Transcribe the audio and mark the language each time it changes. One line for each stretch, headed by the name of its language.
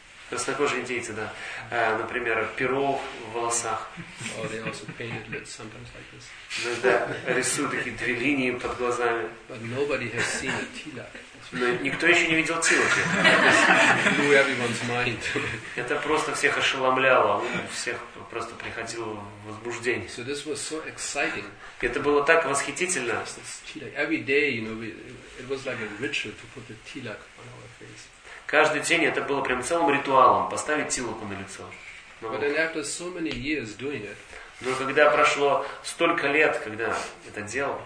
Russian: Краснокожие индейцы, да. Например, перо в волосах.
English: Or they also painted lips sometimes like this.
Russian: Иногда рисуют такие две линии под глазами.
English: But nobody has seen a tilak.
Russian: Но никто еще не видел тилаки. Это просто всех ошеломляло. Всех просто приходило в возбуждение.
English: So this was so exciting.
Russian: Это было так восхитительно.
English: Every day, you know, it was like a ritual to put the tilak on our face.
Russian: Каждый день это было прям целым ритуалом поставить тилаку на лицо.
English: Но, but then after so many years doing it,
Russian: но когда прошло столько лет, когда это делал,